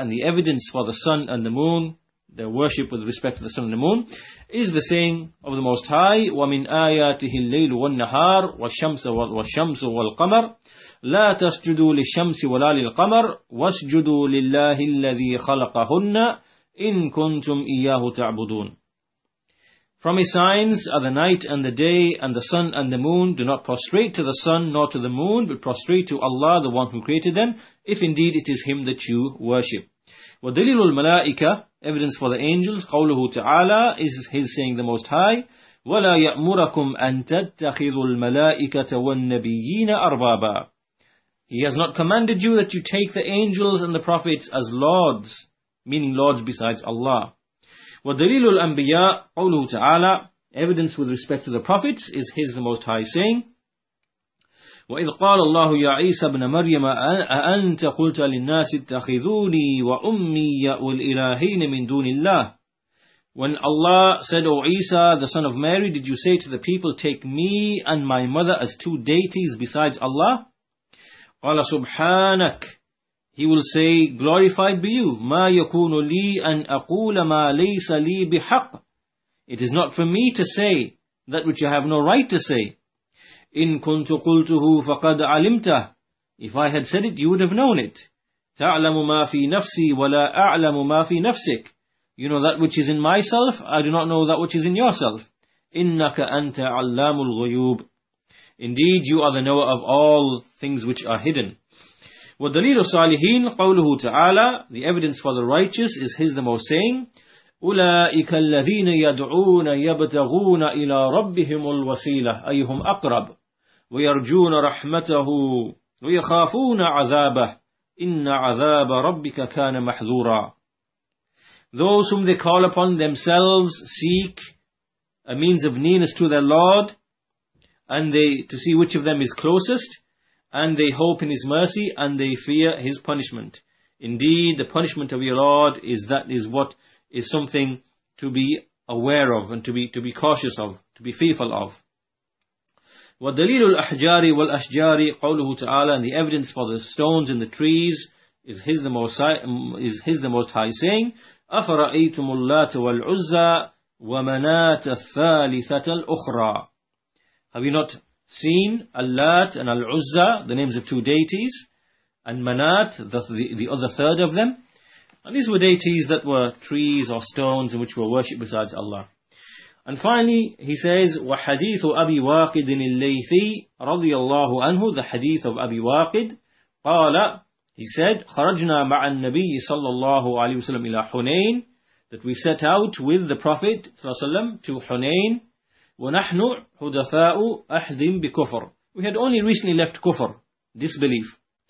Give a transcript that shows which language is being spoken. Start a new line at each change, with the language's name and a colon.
English: And the evidence for the sun and the moon, their worship with respect to the sun and the moon, is the saying of the Most High,
Arabic: وَمِنْ آيَاتِهِ اللَّيْلُ وَالنَّهَارُ وَالشَّمْسُ وَالْقَمَرُ لَا تَسْجُدُوا لِلشَّمْسِ وَلَا لِلْقَمَرُ وَاسْجُدُوا لِلَّهِ الَّذِي خَلَقَهُنَّ إِن كُنْتُمْ إِيَّاهُ تَعْبُدُونَ.
English: From His signs are the night and the day and the sun and the moon. Do not prostrate to the sun nor to the moon, but prostrate to Allah, the one who created them, if indeed it is Him that you worship.
Arabic: وَدَلِيلُ الْمَلَائِكَةِ,
English: evidence for the angels,
Arabic: قَوْلُهُ تَعَالَى,
English: is his saying the Most High,
Arabic: وَلَا يَأْمُرَكُمْ أَن تَتَّخِذُوا الْمَلَائِكَةَ وَالنَّبِيِّينَ أَرْبَابًا.
English: He has not commanded you that you take the angels and the prophets as lords, meaning lords besides Allah.
Arabic: وَدَلِيلُ الْأَنْبِيَاءِ, قَوْلُهُ تَعَالَى,
English: evidence with respect to the prophets, is his the Most High saying,
Arabic: وَإِذْ قَالَ اللَّهُ يَا عِيسَى ابْنَ مَرْيَمَ أَأَنْتَ قُلْتَ لِلنَّاسِ اتَّخِذُونِي وَأُمِّيَ وَالْإِلَٰهَيْنِ مِنْ دُونِ اللَّهِ.
English: When Allah said, O Isa, the son of Mary, did you say to the people, take me and my mother as two deities besides Allah?
Arabic: قَالَ سُبْحَانَكَ.
English: He will say, glorified be you.
Arabic: مَا يَكُونُ لِي أَنْ أَقُولَ مَا لَيْسَ لِي بِحَقٍّ.
English: It is not for me to say that which I have no right to say.
Arabic: إِن كُنْتُ قُلْتُهُ فَقَدْ عَلِمْتَهُ.
English: If I had said it, you would have known it.
Arabic: تَعْلَمُ مَا فِي نَفْسِي وَلَا أَعْلَمُ مَا فِي نَفْسِكَ.
English: You know that which is in myself, I do not know that which is in yourself.
Arabic: إِنَّكَ أَنْتَ عَلَّامُ الْغُيُوبِ.
English: Indeed, you are the knower of all things which are hidden.
Arabic: وَالدَّلِيلُ الصَّالِحِينَ قَوْلُهُ تَعَالَى.
English: The evidence for the righteous is his the most saying,
Arabic: أُولَٰئِكَ الَّذِينَ يَدْعُونَ يَبْتَغُونَ إِلَىٰ رَبِّهِمُ الْوَسِيلَةِ أَيُّهُمْ أَقْرَبُ وَيَرْجُونَ رَحْمَتَهُ وَيَخَافُونَ عَذَابَهُ إِنَّ عَذَابَ رَبِّكَ كَانَ مَحْذُورًا.
English: Those whom they call upon themselves seek a means of nearness to their Lord, and they to see which of them is closest, and they hope in his mercy, and they fear his punishment. Indeed, the punishment of your Lord is that is what is something to be aware of and to be cautious of, to be fearful of.
Arabic: وَالدَّلِيلُ الْأَحْجَارِ وَالْأَشْجَارِ قَوْلُهُ تَعَالَى.
English: And the evidence for the stones and the trees is His the Most High saying,
Arabic: أَفَرَأَيْتُمُ اللَّاتَ وَالْعُزَّى وَمَنَاتَ الثَّالِثَةَ الْأُخْرَى.
English: Have you not seen Al-Lat and Al-Uzza, the names of two deities, and Manat, the other third of them? And these were deities that were trees or stones in which were worshipped besides Allah. And finally, he says,
Arabic: وَحَدِيثُ أَبِي وَاقِدٍ اللَّيْثِي رَضِيَ اللَّهُ عَنْهُ.
English: The hadith of Abi Waqid,
Arabic: قَالَ,
English: he said,
Arabic: خَرَجْنَا مَعَ النَّبِيِّ صَلَّى اللَّهُ عَلَيْهُ وَسَلَّمُ إِلَى حُنَيْنِ,
English: that we set out with the Prophet وسلم, to Hunayn,
Arabic: وَنَحْنُ حُدَثَاءُ أَحْدٍ بِكُفْرٍ.
English: We had only recently left kufr, disbelief.